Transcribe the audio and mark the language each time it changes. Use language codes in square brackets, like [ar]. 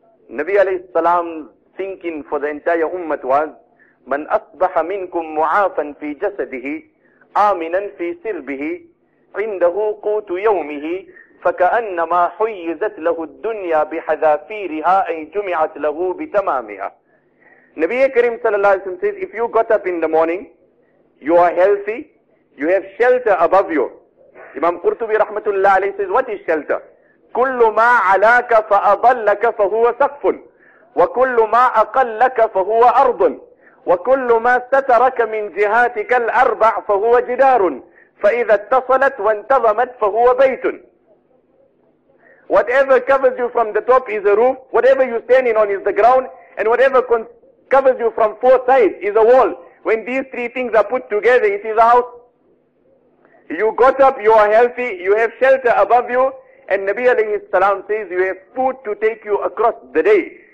[en] Nabi alayhi salam's thinking for the entire ummah was, [ar] man asbaha minkum mu'afan fi jasadihi, آمِنًا فِي سِرْبِهِ عِنْدَهُ قُوتُ يَوْمِهِ فَكَأَنَّمَا حُيِّزَتْ لَهُ الدُّنْيَا بِحَذَافِيرِهَا أَيْ جُمِعَتْ لَهُ بِتَمَامِهَا. [en] Nabi Karim sallallahu alayhi wa sallam says, if you got up in the morning, you are healthy, you have shelter above you. Imam Qurtubi rahmatullah alayhi says, what is shelter? [ar] كُلُّ مَا عَلَاكَ فَأَضَلَّكَ فَهُوَ سَقْفٌ وَكُلُّ مَا أَقَلَّكَ فَهُوَ أَرْضٌ وكل ما سترك من جهاتك الأربع فهو جدار فإذا اتصلت وانتظمت فهو بيت. [en] Whatever covers you from the top is a roof, whatever you're standing on is the ground, and whatever covers you from four sides is a wall. When these three things are put together, it is a house. You got up, you are healthy, you have shelter above you, and Nabi alayhi salam says you have food to take you across the day.